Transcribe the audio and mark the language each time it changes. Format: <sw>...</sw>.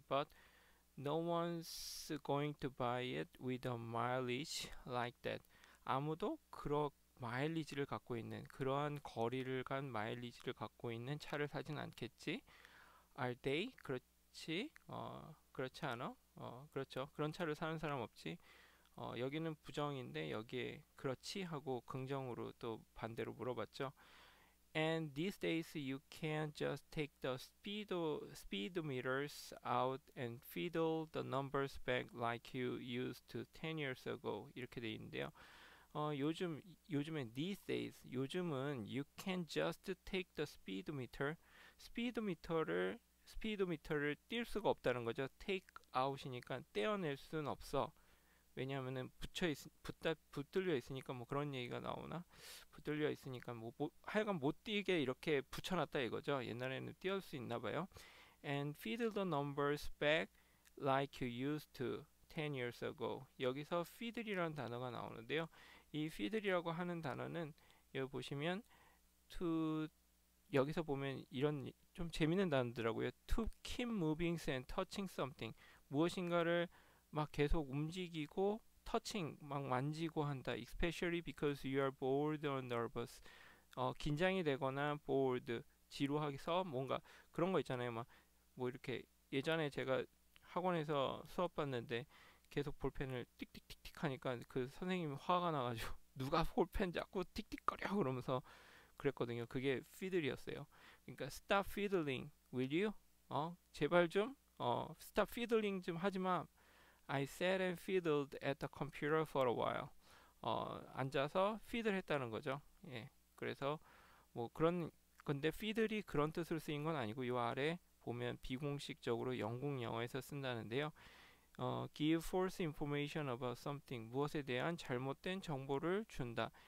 <en>But no one's going to buy it with a mileage like that.</en> <ko>아무도 그런 마일리지를 갖고 있는, 그러한 거리를 간 마일리지를 갖고 있는 차를 사진 않겠지?</ko> <en>Are they?</en> <ko>그렇지? 그렇지 않아? 그렇죠. 그런 차를 사는 사람 없지? 여기는 부정인데 여기에 그렇지? 하고 긍정으로 또 반대로 물어봤죠.</ko> <en>And these days you can't just take the speed meters out and fiddle the numbers back like you used to 10 years ago.</en> <ko>이렇게 돼 있는데요. 요즘엔 these days, 요즘은</ko> <en>you can just take the speedometer</en> <ko>를 띌 수가 없다는 거죠. take out이니까 떼어낼 수는 없어. 왜냐하면은 붙들려 있으니까, 뭐 그런 얘기가 나오나? 붙들려 있으니까 하여간 못 뛰게 이렇게 붙여놨다 이거죠. 옛날에는 띄울 수 있나 봐요.</ko> <en>And fiddle the numbers back like you used to 10 years ago.</en> <ko>여기서 fiddle이라는 단어가 나오는데요. 이 fiddle이라고 하는 단어는 여기 보시면 여기서 보면 이런 좀 재밌는 단어더라고요.</ko> <en>To keep moving and touching something.</en> <ko>무엇인가를 막 계속 움직이고 터칭 막 만지고 한다.</ko> <en>Especially because you are bored or nervous.</en> <ko>긴장이 되거나 bored, 지루하기서 뭔가 그런 거 있잖아요. 막뭐 이렇게 예전에 제가 학원에서 수업 봤는데 계속 볼펜을 틱틱틱틱 하니까 그 선생님이 화가 나가지고 누가 볼펜 자꾸 틱틱거려 그러면서 그랬거든요. 그게 피들이었어요. 그러니까</ko> <en>stop fiddling, will you?</en> <ko>제발 좀 stop fiddling 좀 하지 마.</ko> <en>I sat and fiddled at the computer for a while.</en> <ko>앉아서 fiddle 했다는 거죠. 예, 그래서 뭐 그런 건데 fiddle이 그런 뜻으로 쓰인 건 아니고 요 아래 보면 비공식적으로 영국 영어에서 쓴다는데요.</ko> <en>Give false information about something.</en> <ko>무엇에 대한 잘못된 정보를 준다.</ko>